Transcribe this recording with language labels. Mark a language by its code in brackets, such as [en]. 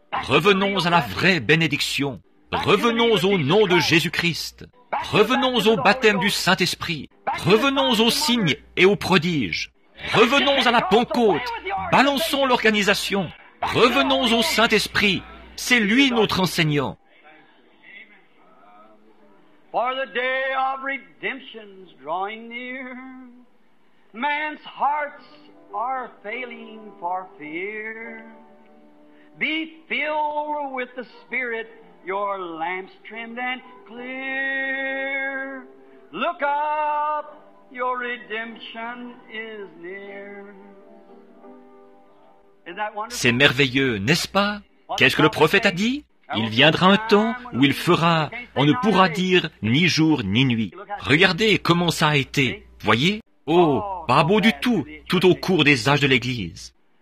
[fr] Revenons à la vraie bénédiction. Revenons au nom de Jésus-Christ. Revenons au baptême du Saint-Esprit. Revenons aux signes et aux prodiges. Revenons à la Pentecôte. Balançons l'organisation. Revenons au Saint-Esprit. C'est lui notre enseignant. [en] For the day of redemption's drawing near. Man's hearts are failing for fear. Be filled with the Spirit, your lamps trimmed and clear. Look up, your redemption is near. Isn't that wonderful? [fr] C'est merveilleux, n'est-ce pas? Qu'est-ce que le prophète a dit? Il viendra un temps où il fera, on ne pourra dire ni jour ni nuit. Regardez comment ça a été, voyez? Oh, pas beau du tout, tout au cours des âges de l'Église.